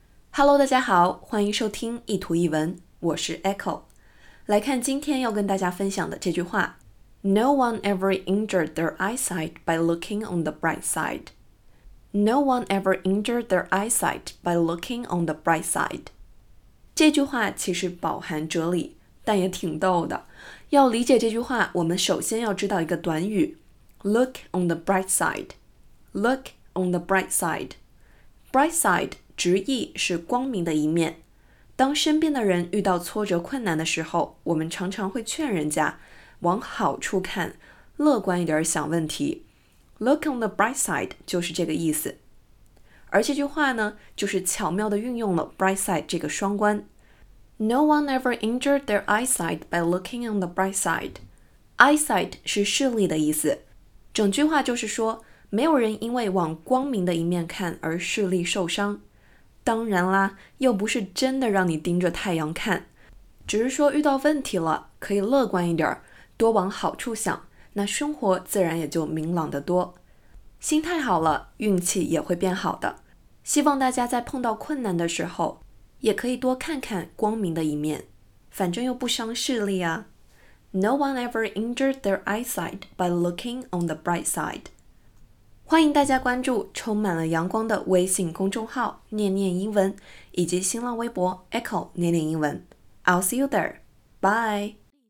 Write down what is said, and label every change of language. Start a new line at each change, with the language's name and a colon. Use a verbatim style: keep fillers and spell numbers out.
Chinese: Hello， 大家好，欢迎收听一图一文，我是 Echo。来看今天要跟大家分享的这句话 ：
English: No one ever injured their eyesight by looking on the bright side. No one ever injured their eyesight by looking on the bright side.
Chinese: 这句话其实饱含哲理，但也挺逗的。要理解这句话，我们首先要知道一个短语 ：
English: look on the bright side. Look on the bright side. Bright side.
Chinese: 直译是光明的一面。当身边的人遇到挫折困难的时候，我们常常会劝人家往好处看，乐观一点想问题。
English: Look on the bright side
Chinese: 就是这个意思。而这句话呢，就是巧妙地运用了 bright side 这个双关。
English: No one ever injured their eyesight by looking on the bright side.
Chinese: Eyesight 是视力的意思。整句话就是说，没有人因为往光明的一面看而视力受伤。当然啦，又不是真的让你盯着太阳看，只是说遇到问题了，可以乐观一点，多往好处想，那生活自然也就明朗得多。心态好了，运气也会变好的。希望大家在碰到困难的时候，也可以多看看光明的一面，反正又不伤视力啊。
English: No one ever injured their eyesight by looking on the bright side.
Chinese: 欢迎大家关注充满了阳光的微信公众号念念英文以及新浪微博 Echo 念念英文
English: I'll see you there. Bye!